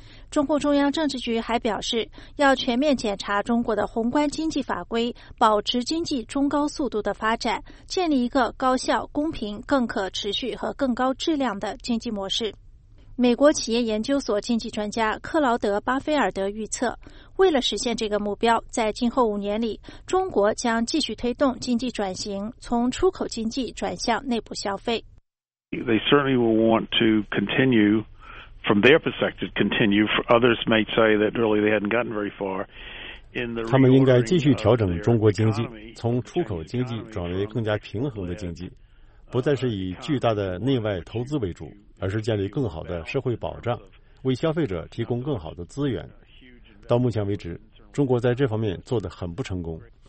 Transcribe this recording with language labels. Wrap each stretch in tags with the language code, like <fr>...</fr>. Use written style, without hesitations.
<zh>中共中央政治局还表示，要全面检查中国的宏观经济法规，保持经济中高速度的发展，建立一个高效、公平、更可持续和更高质量的经济模式。美国企业研究所经济专家克劳德·巴菲尔德预测，为了实现这个目标，在今后五年里，中国将继续推动经济转型，从出口经济转向内部消费。</zh> <en>They certainly will want to continue, from their perspective, continue. For others may say that really they hadn't gotten very far.</en> <zh>他们应该继续调整中国经济，从出口经济转为更加平衡的经济，不再是以巨大的内外投资为主，而是建立更好的社会保障，为消费者提供更好的资源。到目前为止，中国在这方面做得很不成功。</zh>